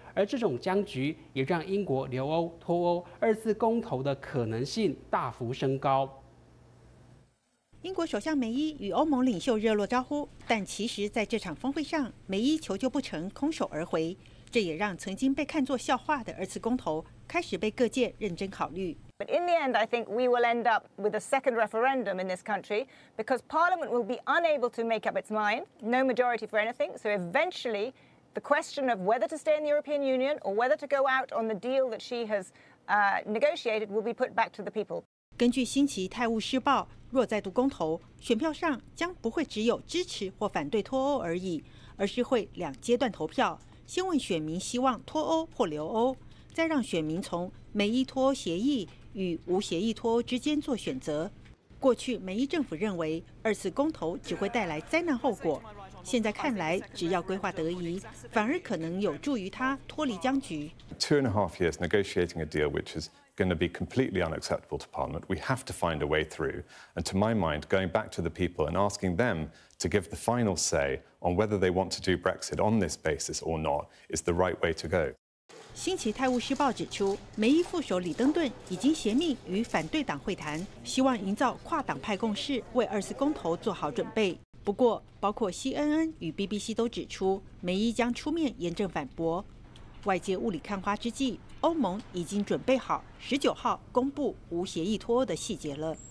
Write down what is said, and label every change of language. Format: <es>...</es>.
<zh>而这种僵局也让英国留欧、脱欧、二次公投的可能性大幅升高。英国首相梅伊与欧盟领袖热络招呼，但其实在这场峰会上，梅伊求救不成，空手而回。这也让曾经被看作笑话的二次公投开始被各界认真考虑。</zh> <en>But in the end, I think we will end up with a second referendum in this country because Parliament will be unable to make up its mind, no majority for anything. So eventually, the question of whether to stay in the European Union or whether to go out on the deal that she has negotiated will be put back to the people.</en> <zh>根据星期《泰晤士报》。若再度公投，选票上将不会只有支持或反对脱欧而已，而是会2阶段投票，先问选民希望脱欧或留欧，再让选民从梅伊脱欧协议与无协议脱欧之间做选择。过去梅伊政府认为二次公投只会带来灾难后果，现在看来只要规划得宜，反而可能有助于他脱离僵局。</zh> <en>2.5 years negotiating a deal which isGoing to be completely unacceptable to Parliament. We have to find a way through. And to my mind, going back to the people and asking them to give the final say on whether they want to do Brexit on this basis or not is the right way to go.</en> <zh>星期《泰晤士报》指出，梅伊副手李登顿已经携命与反对党会谈，希望营造跨党派共识，为二次公投做好准备。不过，包括 CNN 与 BBC 都指出，梅伊将出面严正反驳。外界雾里看花之际，欧盟已经准备好19号公布无协议脱欧的细节了。</zh>